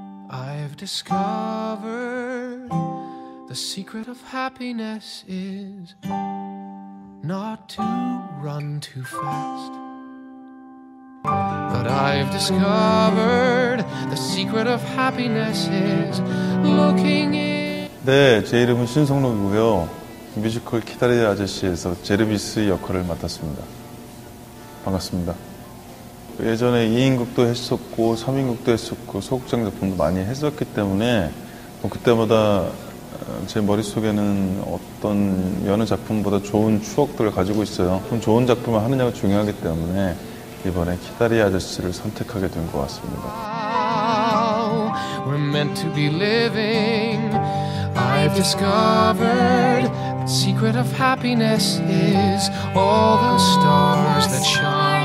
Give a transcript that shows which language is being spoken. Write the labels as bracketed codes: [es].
[en] I've discovered the secret of happiness is not to run too fast. But I've discovered the secret of happiness is looking in. [ko] 네, 제 이름은 신성록이고요. 뮤지컬 기다리는 아저씨에서 제르비스 역할을 맡았습니다. 반갑습니다. 예전에 2인극도 했었고 3인극도 했었고 소극장 작품도 많이 했었기 때문에 뭐 그때마다 제 머릿속에는 어떤 여느 작품보다 좋은 추억들을 가지고 있어요. 그럼 좋은 작품을 하느냐가 중요하기 때문에 이번에 기다리 아저씨를 선택하게 된 것 같습니다. [en] We're meant to be living. I've discovered the secret of happiness is all the stars that shine.